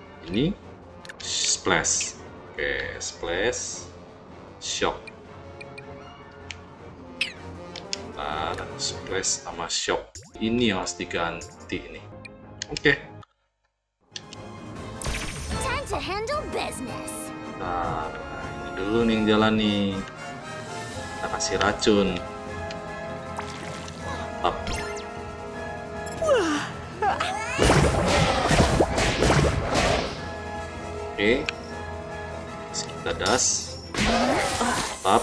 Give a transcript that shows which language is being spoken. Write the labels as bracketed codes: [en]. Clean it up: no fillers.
[id] Ini splash. Oke, okay, splash. Shock. Bentar, splash sama shock. Ini yang harus diganti ini. Oke. Okay. [en] Time to handle business. [id] Bentar, ini dulu nih yang jalan nih. Kita kasih racun. [en] Up. [id] Oke. Okay. Kita das. Up.